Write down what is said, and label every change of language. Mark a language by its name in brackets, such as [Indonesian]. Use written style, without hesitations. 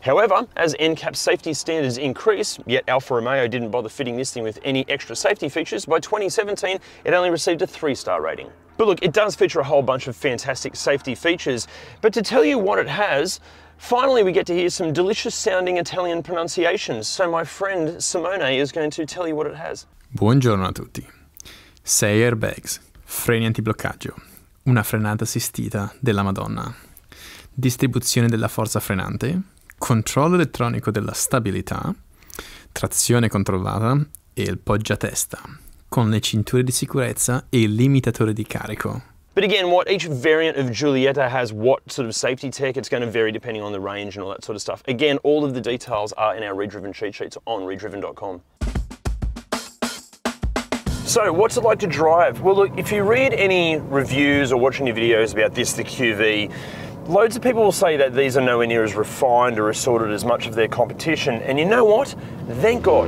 [English] However, as NCAP safety standards increase, yet Alfa Romeo didn't bother fitting this thing with any extra safety features, by 2017, it only received a 3-star rating. But look, it does feature a whole bunch of fantastic safety features. But to tell you what it has, finally we get to hear some delicious sounding Italian pronunciations. So my friend Simone is going to tell you what it has. [Italian] Buongiorno a tutti. 6 airbags, freni antibloccaggio, una frenata assistita della Madonna, distribuzione della forza frenante, controllo elettronico della stabilità, trazione controllata e il poggiatesta. Con le cinture di sicurezza e il limitatore di carico. [English] But again, what each variant of Giulietta has, what sort of safety tech, it's going to vary depending on the range and all that sort of stuff. Again, all of the details are in our ReDriven cheat sheets on ReDriven.com. So, what's it like to drive? Well, look, if you read any reviews or watch any videos about this, the QV, loads of people will say that these are nowhere near as refined or as sorted as much of their competition. And you know what? Thank God.